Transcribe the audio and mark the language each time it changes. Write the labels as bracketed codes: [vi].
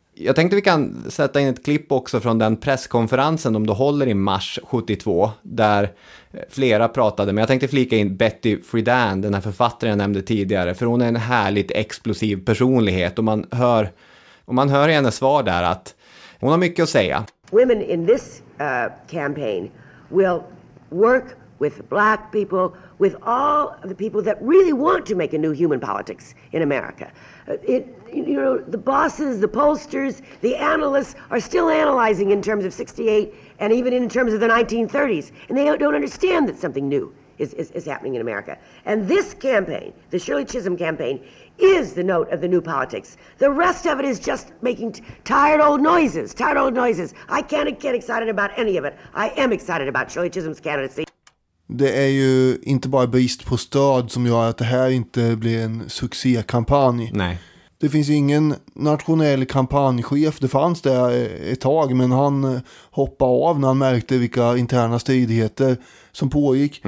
[sv] Jag tänkte vi kan sätta in ett klipp också från den presskonferensen de håller i mars 72, där flera pratade. Men jag tänkte flika in Betty Friedan, den här författaren jag nämnde tidigare, för hon är en härligt explosiv personlighet. Och man hör hennes svar där att hon har mycket att säga. [en] Women in this campaign will work with black people, with all the people that really want to make a new human politics in America. You know, the bosses, the pollsters, the analysts are still analyzing in terms of 68 and even in terms of the 1930s. And they don't understand that something new is happening in America. And this campaign, the Shirley Chisholm campaign, is the note of the new politics. The rest of it is just making tired old noises. I can't get excited about any of it. I am excited about Shirley Chisholm's candidacy. [sv] Det är ju inte bara brist på stöd som gör att det här inte blir en succékampanj. Nej. Det finns ingen nationell kampanjchef, det fanns det ett tag, men han hoppade av när han märkte vilka interna stridigheter som pågick.